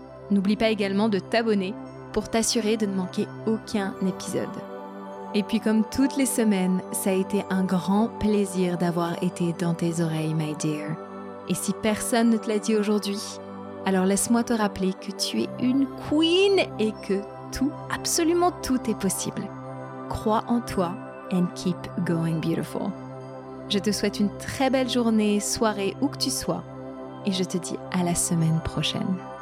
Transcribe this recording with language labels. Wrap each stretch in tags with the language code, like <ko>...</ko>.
<fr>N'oublie pas également de t'abonner pour t'assurer de ne manquer aucun épisode. Et puis comme toutes les semaines, ça a été un grand plaisir d'avoir été dans tes oreilles,</fr> <en>my dear.</en> <fr>Et si personne ne te l'a dit aujourd'hui, alors laisse-moi te rappeler que tu es une queen et que tout, absolument tout est possible. Crois en toi</fr> <en>and keep going beautiful.</en> <fr>Je te souhaite une très belle journée, soirée, où que tu sois. Et je te dis à la semaine prochaine.</fr>